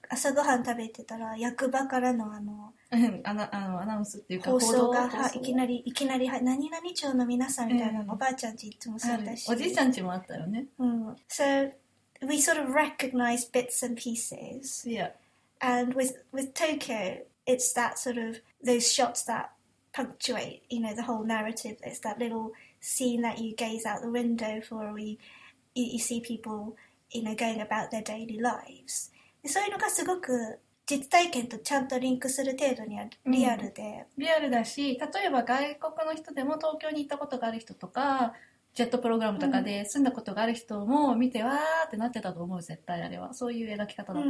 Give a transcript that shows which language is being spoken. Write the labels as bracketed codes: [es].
[ja] 朝ごはん食べてたら、役場からのあの、あのアナウンスっていうか報道が、いきなり何々町の皆さんみたいなの、おばあちゃん家いつもそうだし、おじいちゃん家もあったよね。 [en] So we sort of recognize bits and pieces. Yeah. And with Tokyo, it's that sort of those shots that punctuate, you know, the whole narrative. It's that little scene that you gaze out the window for, you see people, you know, going about their daily lives. [ja] そういうのがすごく実体験とちゃんとリンクする程度にはリアルで、うん、リアルだし、例えば外国の人でも東京に行ったことがある人とか、ジェットプログラムとかで住んだことがある人も見て、うん、わーってなってたと思う、絶対あれは。そういう描き方だった。